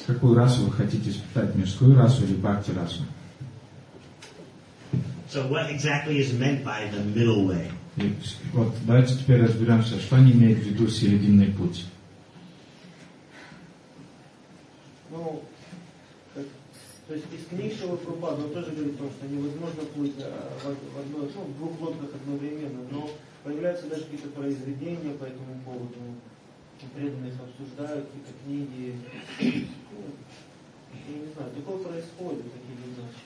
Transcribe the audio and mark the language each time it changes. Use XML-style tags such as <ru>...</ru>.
<ru>Какую расу вы хотите испытать, мирскую расу или бхакти расу?</ru> <en>So what exactly is meant by the middle way?</en> <ru>И вот давайте теперь разберемся, что они имеют в виду серединный путь. Ну, то есть из книг Шрилы Прабхупады, он тоже говорит о том, что невозможно плыть в двух лодках одновременно, но появляются даже какие-то произведения по этому поводу, преданные их обсуждают, какие-то книги, я не знаю, такое происходит, такие вещи.</ru>